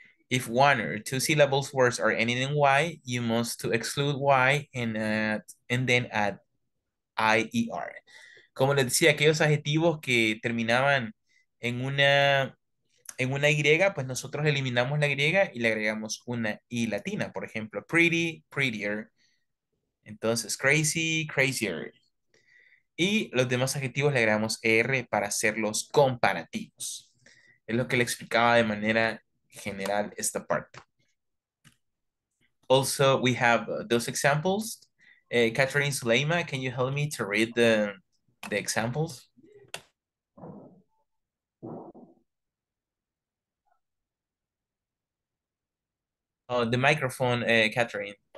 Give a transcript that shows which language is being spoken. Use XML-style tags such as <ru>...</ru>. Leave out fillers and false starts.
<en>If one or two syllables words are ending in Y, you must to exclude Y and then add IER.</en> <es>Como les decía, aquellos adjetivos que terminaban en una Y, pues nosotros eliminamos la Y y le agregamos una I latina. Por ejemplo, pretty, prettier. Entonces, crazy, crazier. Y los demás adjetivos le agregamos R para hacerlos comparativos. Es lo que le explicaba de manera general esta parte.</es> <en>Also, we have those examples. Catherine Suleyma, can you help me to read the examples? Oh, the microphone, Catherine.</en>